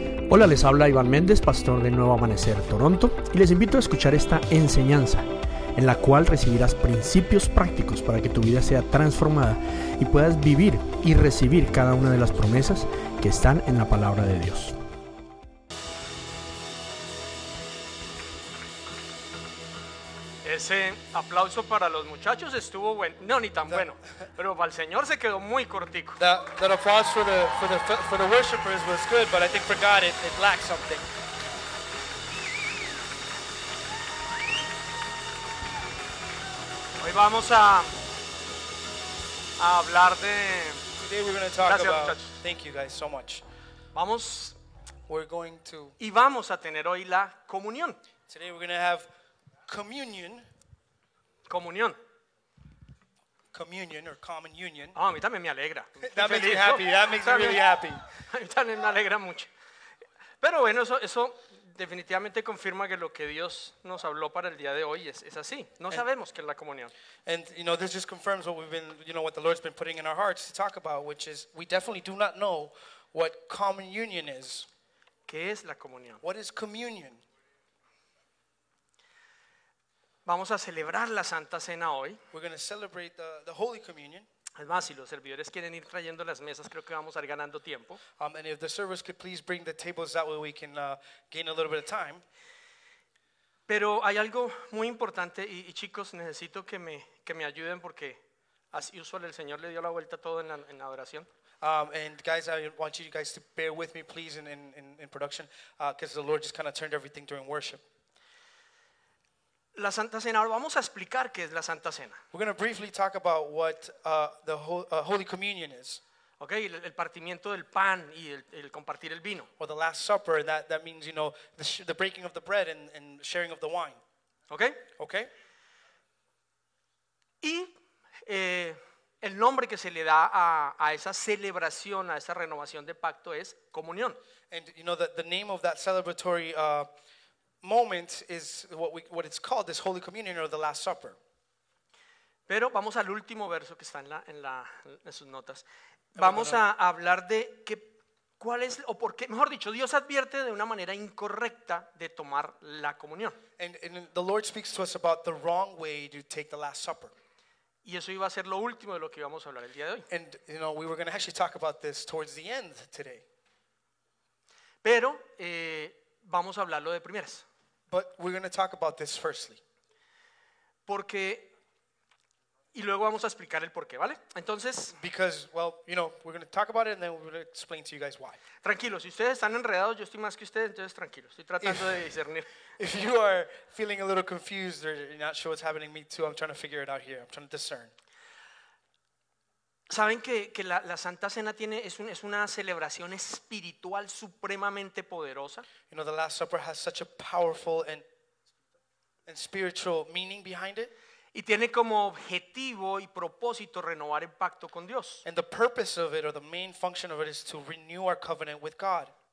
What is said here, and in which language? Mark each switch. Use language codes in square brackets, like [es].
[es] Hola, les habla Iván Méndez, pastor de Nuevo Amanecer, Toronto, y les invito a escuchar esta enseñanza, en la cual recibirás principios prácticos para que tu vida sea transformada y puedas vivir y recibir cada una de las promesas que están en la Palabra de Dios. Ese aplauso para los muchachos estuvo bueno, no, ni tan bueno, pero para el Señor se quedó muy cortico. [en] That applause for the worshipers was good, but I think for God it lacked something. [es] Hoy vamos a hablar de... [en] Today we're going to talk [es] Gracias, [en] about... [es] Muchachos. [en] Thank you guys so much. [es] Vamos... [en] We're going to... [es] Y vamos a tener hoy la comunión. [en] Today we're going to have communion. [es] Comunión. [en] Communion or common union. [es] Oh, a mí también me alegra. [en] That makes me happy. That makes me really happy. [es] A mí también me alegra mucho. Pero bueno, eso definitivamente confirma que lo que Dios nos habló para el día de hoy es así. No sabemos qué es la comunión. [en] And you know, this just confirms what we've been, you know, what the Lord's been putting in our hearts to talk about, which is we definitely do not know what common union is. [es] ¿Qué es la comunión? [en] What is communion? [es] Vamos a celebrar la Santa Cena hoy. [en] We're going to celebrate the Holy Communion. [es] Es más, si los servidores quieren ir trayendo las mesas, creo que vamos a ir ganando tiempo. [en] And if the servers could please bring the tables, that way we can gain a little bit of time. [es] Pero hay algo muy importante, y chicos, necesito que me ayuden porque, [en] as usual, [es] el Señor le dio la vuelta todo en la adoración. [en] And guys, I want you guys to bear with me, please, in production, because the Lord just kind of turned everything during worship. [es] La Santa Cena. Ahora vamos a explicar qué es la Santa Cena. [en] We're going to briefly talk about what Holy Communion is. [es] Okay, el partimiento del pan y el compartir el vino. [en] Or the Last Supper, that means, you know, the breaking of the bread and sharing of the wine. Okay. Okay. [es] Y el nombre que se le da a esa celebración, a esa renovación de pacto es comunión. [en] And you know the name of that celebratory moment is what it's called, this Holy Communion or the Last Supper. [es] Pero vamos al último verso que está en sus notas. Vamos a hablar de que cuál es o por qué, mejor dicho, Dios advierte de una manera incorrecta de tomar la comunión. [en] And the Lord speaks to us about the wrong way to take the Last Supper. [es] Y eso iba a ser lo último de lo que íbamos a hablar el día de hoy. [en] And you know, we were going to actually talk about this towards the end today. [es] Pero vamos a hablarlo de primeras. [en] But we're going to talk about this firstly. [es] Porque, y luego vamos a explicar el porqué, ¿vale? Entonces, [en] because, well, you know, we're going to talk about it and then we're going to explain to you guys why. [es] Tranquilos, si ustedes están enredados, yo estoy más que ustedes, entonces tranquilos, estoy tratando de discernir. [en] If you are feeling a little confused or you're not sure what's happening, me too, I'm trying to figure it out here, I'm trying to discern. [es] ¿Saben que la Santa Cena es una celebración espiritual supremamente poderosa? [en] You know, the Last Supper has such a powerful and spiritual meaning behind it. [es] Y tiene como objetivo y propósito renovar el pacto con Dios. [en] And the purpose of it, or the main function of it, is to renew our covenant with God.